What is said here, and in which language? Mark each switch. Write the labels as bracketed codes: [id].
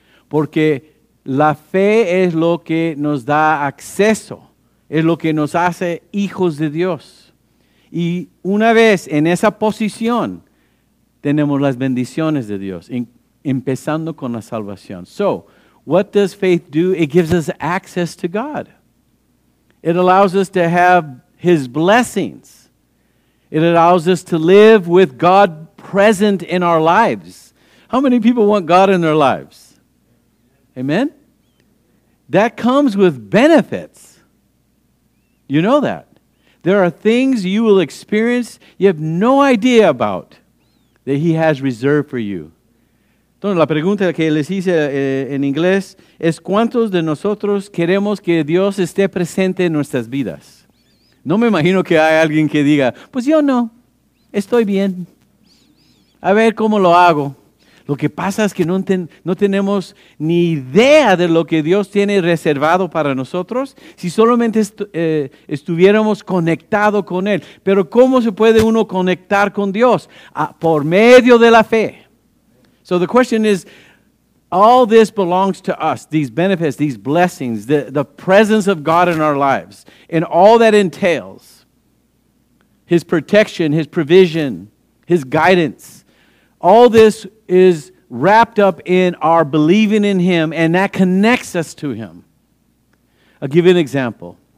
[es] Porque la fe es lo que nos da acceso, es lo que nos hace hijos de Dios. Y una vez en esa posición, tenemos las bendiciones de Dios, empezando con la salvación. [en] So, what does faith do? It gives us access to God. It allows us to have His blessings. It allows us to live with God present in our lives. How many people want God in their lives? Amen? That comes with benefits. You know that. There are things you will experience you have no idea about that He has reserved for you. [es] Entonces, la pregunta que les hice en inglés es, ¿cuántos de nosotros queremos que Dios esté presente en nuestras vidas? No me imagino que hay alguien que diga, pues yo no, estoy bien. A ver cómo lo hago. Lo que pasa es que no tenemos ni idea de lo que Dios tiene reservado para nosotros si solamente estuviéramos conectados con Él. Pero ¿cómo se puede uno conectar con Dios? Por medio de la fe. [en] So the question is, all this belongs to us, these benefits, these blessings, the presence of God in our lives, and all that entails, His protection, His provision, His guidance, all this is wrapped up in our believing in Him, and that connects us to Him. I'll give you an example.